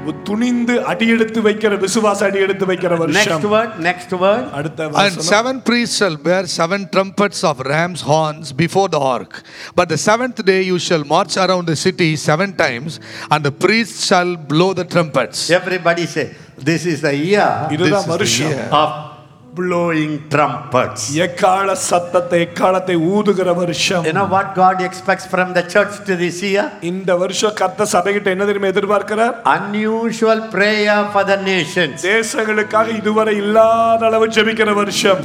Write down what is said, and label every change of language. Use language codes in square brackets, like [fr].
[ta] துணிந்து அடி எடுத்து வைக்கிற விசுவாச அடி எடுத்து வைக்கிற வருஷம், [en] next word, next word, அடுத்த [ta] வருஷம், and [en] seven priests shall bear seven trumpets of ram's horns before the ark, but the seventh day you shall march around the city 7 times and the priests shall blow the trumpets, everybody say, this is the year, [ta] இதுதான் வருஷம், [en] of blowing trumpets, [ta] ஏகாள சத்தத்தை ஏகாளத்தை ஊதுகிற வருஷம், [en] you know what God expects from the church to this year, [ta] இந்த வருஷம் கர்த்த சபைகிட்ட என்ன தெரியுமா எதிர்பார்க்கிறார், [en] unusual prayer for the nations, [ta] தேசங்களுக்காக இதுவரை இல்லாத அளவு ஜெபிக்கிற வருஷம்,